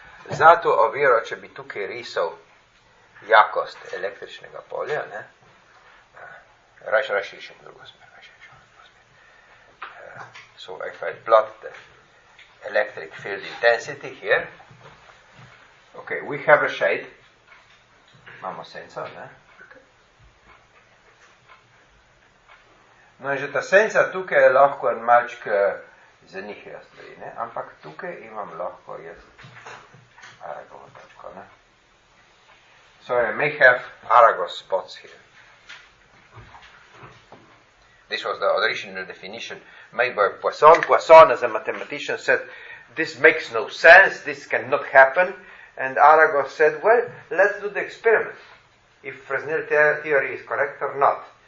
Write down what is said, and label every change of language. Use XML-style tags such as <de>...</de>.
<sl>Zato ovira, če bi tukaj risal jakost električnega polja, ne? Raš išem drugo smer.</sl> <en>So if I plot the electric field intensity here. Okay, we have a shade.</en> <sl>Imamo senco, ne? No, že ta senca tukaj je lahko en malček za njih jaz stvari, ne? Ampak tukaj imam lahko jaz Aragovo točko, ne?</sl> <en>So I may have Arago spots here. This was the original definition made by Poisson. Poisson, as a mathematician, said, this makes no sense, this cannot happen. And Arago said, well, let's do the experiment, if Fresnel theory is correct or not.</en>